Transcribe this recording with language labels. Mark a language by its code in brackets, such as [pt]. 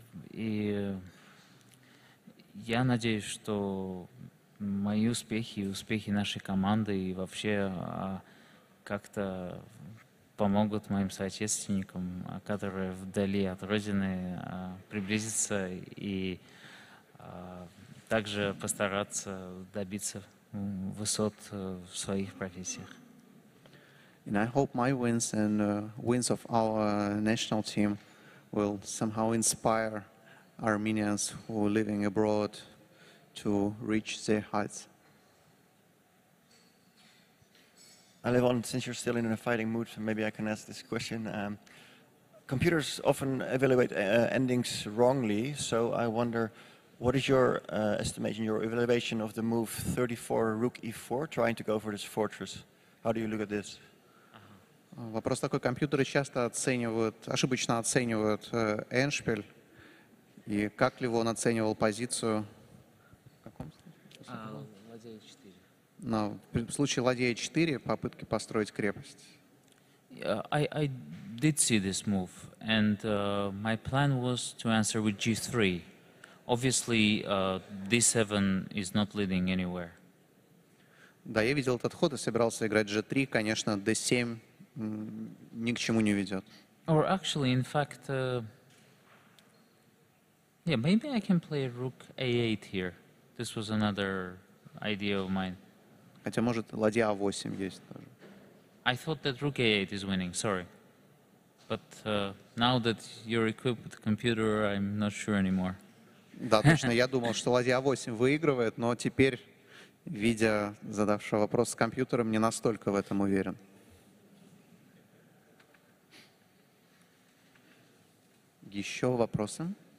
[ru] И я надеюсь, что мои успехи и успехи нашей команды и вообще как-то помогут моим соотечественникам, которые вдали от Родины, приблизиться и также постараться добиться высот в своих профессиях. [en] And I hope my wins and wins of our national team will somehow inspire Armenians who are living abroad to reach their heights. Levon, since you're still in a fighting mood, maybe I can ask this question. Computers often evaluate endings wrongly, so I wonder, what is your estimation, your evaluation of the move 34 rook e4, trying to go for this fortress? How do you look at this? [ru] Вопрос такой, компьютеры часто оценивают, ошибочно оценивают эндшпиль, и как Левон оценивал позицию? Но в случае ладья e4 попытки построить крепость. [en] I did see this move, and my plan was to answer with g3. Obviously, d7 is not leading anywhere. [ru] Да, я видел этот ход и собирался играть g3. Конечно, d7 ни к чему не ведет. [en] Or actually, in fact, yeah, maybe I can play rook a8 here. This was another idea of mine. [ru] Хотя, может, ладья А8 есть тоже. [en] I thought that rook A8 is winning, sorry. But now that you're equipped with the computer, I'm not sure anymore. [ru] Да, точно, я думал, что ладья А8 выигрывает, но теперь, видя задавшего вопрос с компьютером, не настолько в этом уверен. Еще вопросы?